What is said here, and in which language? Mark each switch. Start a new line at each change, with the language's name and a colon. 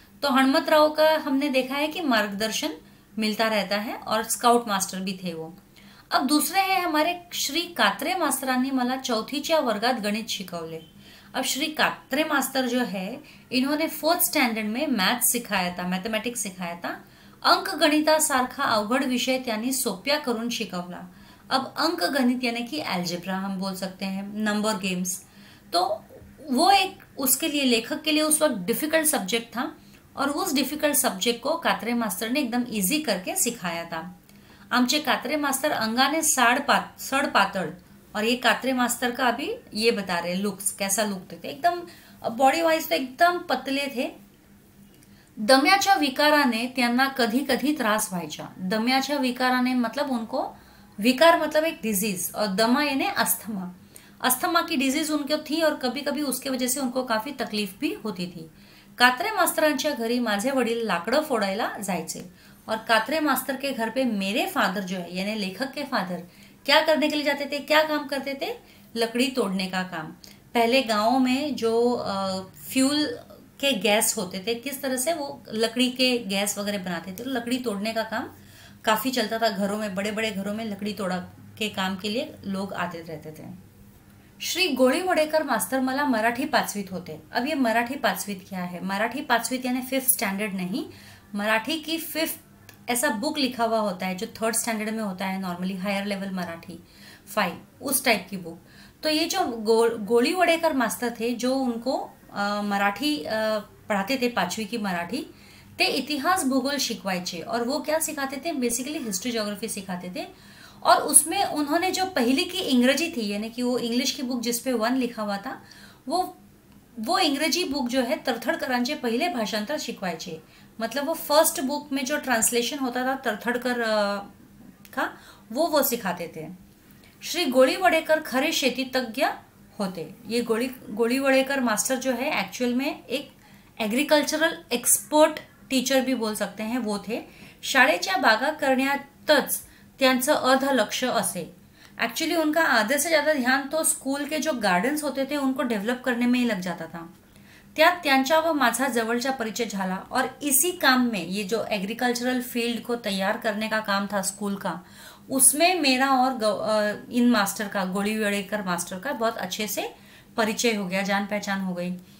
Hindi: तो हनुमत राव का हमने देखा है कि मार्गदर्शन मिलता रहता है और स्काउट मास्टर भी थे वो। अब दूसरे हैं हमारे
Marathi: श्री कात्रे मास्तरांनी मला चौथीच्या वर्गात गणित शिकवले।
Hindi: अब श्री कात्रे मास्तर जो है, इन्होंने फोर्थ स्टैंडर्ड में मैथ्स सिखाया था, मैथमेटिक्स सिखाया था।
Marathi: अंक गणिता सारखा अवघड विषय त्यांनी सोप्या करून शिकवला।
Hindi: अब अंक गणित यानी कि एल्जेब्रा हम बोल सकते हैं, नंबर गेम्स, तो वो एक उसके लिए, लेखक के लिए उस वक्त डिफिकल्ट सब्जेक्ट था, और उस डिफिकल्ट सब्जेक्ट को कात्रे मास्तर ने एकदम इजी करके सिखाया था।
Marathi: आमचे कात्रे मास्तर अंगाने सड़ पातळ,
Hindi: और ये कात्रे मास्तर का अभी ये बता रहे लुक्स, कैसा लुक देते, एकदम बॉडी वाइज तो एकदम पतले थे।
Marathi: दम्याच्या विकाराने त्यांना कधी कधी त्रास व्हायचा।
Hindi: दम्याच्या विकाराने मतलब उनको, विकार मतलब एक डिजीज, और दमा यानी अस्थमा, अस्थमा की डिजीज उनको थी, और कभी कभी उसके वजह से उनको काफी तकलीफ भी होती थी।
Marathi: कात्रे मास्तरांच्या घरी माझे वडील लाकडं फोडायला जायचे,
Hindi: और कात्रे मास्तर के घर पे मेरे फादर जो है यानी लेखक के फादर क्या करने के लिए जाते थे, क्या काम करते थे, लकड़ी तोड़ने का काम। पहले गाँव में जो फ्यूल के गैस होते थे, किस तरह से वो लकड़ी के गैस वगैरह बनाते थे, तो लकड़ी तोड़ने का काम काफी चलता था घरों में, बड़े बड़े घरों में लकड़ी तोड़ा के काम के लिए लोग आते रहते थे।
Marathi: श्री गोळी वडेकर मास्तर मला मराठी पाचवीत होते।
Hindi: अब ये मराठी पाचवीत क्या है, मराठी पाचवीत यानी फिफ्थ स्टैंडर्ड नहीं, मराठी की फिफ्थ ऐसा बुक लिखा हुआ होता है जो थर्ड स्टैंडर्ड में होता है नॉर्मली, हायर लेवल मराठी 5 उस टाइप की बुक। तो ये जो गोळी वडेकर मास्तर थे जो उनको मराठी पढ़ाते थे, पांचवी की मराठी,
Marathi: ते इतिहास भूगोल शिकवायचे,
Hindi: और वो क्या सिखाते थे, बेसिकली हिस्ट्री ज्योग्राफी सिखाते थे। और उसमें उन्होंने जो पहली की इंग्रेजी थी यानी कि वो इंग्लिश की बुक जिस पे 1 लिखा हुआ था, वो इंग्रेजी बुक जो है तरथड़
Marathi: करांचे पहले भाषांतर शिकवायचे।
Hindi: मतलब वो फर्स्ट बुक में जो ट्रांसलेशन होता था तरथड़ कर का, वो सिखाते थे।
Marathi: श्री गोळी वडेकर खरे शेतीतज्ञ होते।
Hindi: ये गोळी वडेकर मास्टर जो है एक्चुअल में एक एग्रीकल्चरल एक्सपर्ट टीचर भी बोल सकते हैं वो थे।
Marathi: शाळेच्या बागा करण्यातच त्यांचं अर्ध लक्ष असे।
Hindi: एक्चुअली उनका आधे से ज्यादा ध्यान तो स्कूल के जो गार्डन्स होते थे उनको डेव्हलप करने में ही लग जाता था।
Marathi: त्यात त्यांचा व माझा जवळचा परिचय झाला,
Hindi: और इसी काम में, ये जो एग्रीकल्चरल फील्ड को तैयार करने का काम था स्कूल का, उसमें मेरा और इन मास्टर का, गोळी वडेकर मास्टर का, बहुत अच्छे से परिचय हो गया, जान पहचान हो गई।